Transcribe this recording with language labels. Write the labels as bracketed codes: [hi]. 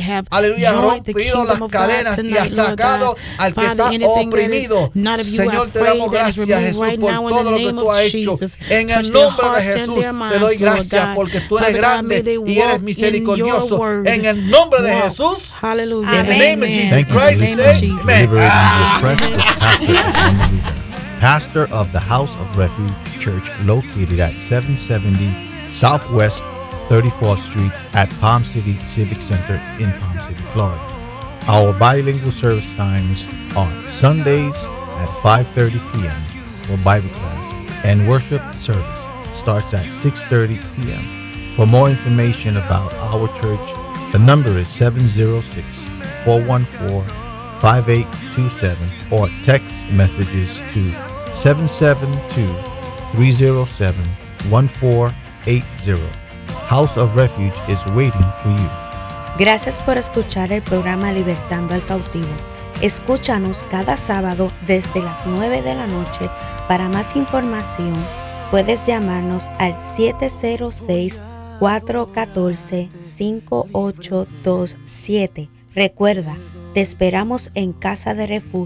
[es] Aleluya, rompido las cadenas y has sacado al que está oprimido. Señor, te damos gracias, Jesús, por todo lo que tú has hecho. En el nombre de Jesús, te doy gracias porque tú eres grande y eres misericordioso. En el nombre de Jesús. Aleluya. [en] Thank you for listening to Liberating the Oppressed with Pastor Andrew, pastor of the House of Refuge Church located at 770 Southwest 34th Street at Palm City Civic Center in Palm City, Florida. Our bilingual service times are Sundays at 5:30 p.m. for Bible class, and worship service starts at 6:30 p.m. For more information about our church, the number is 706-414-5827 or text messages to 772-307-1480. House of Refuge is waiting for you. [es] Gracias por escuchar el programa Libertando al Cautivo. Escúchanos cada sábado desde las 9 de la noche. Para más información, puedes llamarnos al 706-414-5827. Recuerda, te esperamos en Casa de Refugio.